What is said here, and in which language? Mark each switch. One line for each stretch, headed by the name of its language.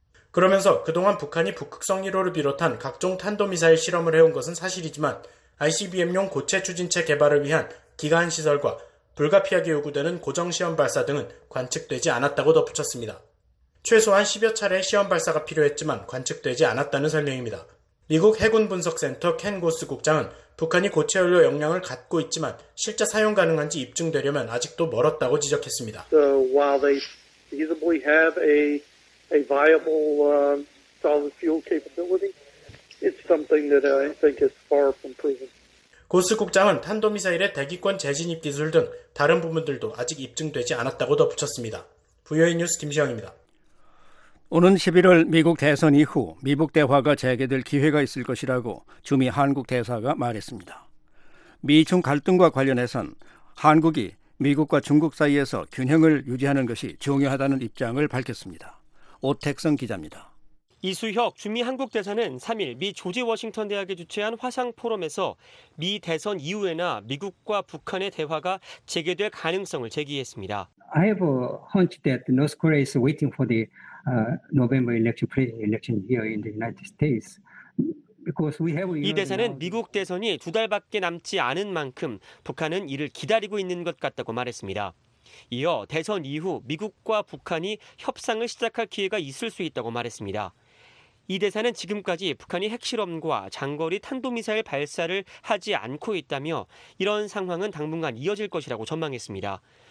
Korean: 그러면서 그동안 북한이 북극성 1호를 비롯한 각종 탄도미사일 실험을 해온 것은 사실이지만 ICBM용 고체 추진체 개발을 위한 기관시설과 불가피하게 요구되는 고정시험 발사 등은 관측되지 않았다고 덧붙였습니다. 최소한 10여 차례의 시험 발사가 필요했지만 관측되지 않았다는 설명입니다. 미국 해군분석센터 켄고스 국장은 북한이 고체 연료 역량을 갖고 있지만 실제 사용 가능한지 입증되려면 아직도 멀었다고 지적했습니다.
English: So while they feasibly have a viable solid fuel capability, it's something that I think is far from proven.
Korean: 고스 국장은 탄도미사일의 대기권 재진입 기술 등 다른 부분들도 아직 입증되지 않았다고 덧붙였습니다. VOA 뉴스 김시영입니다. 오는 11월 미국 대선 이후 미북 대화가 재개될 기회가 있을 것이라고 주미 한국 대사가 말했습니다. 미중 갈등과 관련해선 한국이 미국과 중국 사이에서 균형을 유지하는 것이 중요하다는 입장을 밝혔습니다. 오택성 기자입니다. 이수혁 주미 한국 대사는 3일 미 조지 워싱턴 대학에 주최한 화상 포럼에서 미 대선 이후에나 미국과 북한의 대화가 재개될 가능성을 제기했습니다.
English: I have a hunch that North Korea is waiting for the November election, presidential election here in the United States.
Korean: 이 대사는 미국 대선이 두 달밖에 남지 않은 만큼 북한은 이를 기다리고 있는 것 같다고 말했습니다. 이어 대선 이후 미국과 북한이 협상을 시작할 기회가 있을 수 있다고 말했습니다. 이 대사는 지금까지 북한이 핵실험과 장거리 탄도미사일 발사를 하지 않고 있다며 이런 상황은 당분간 이어질 것이라고 전망했습니다.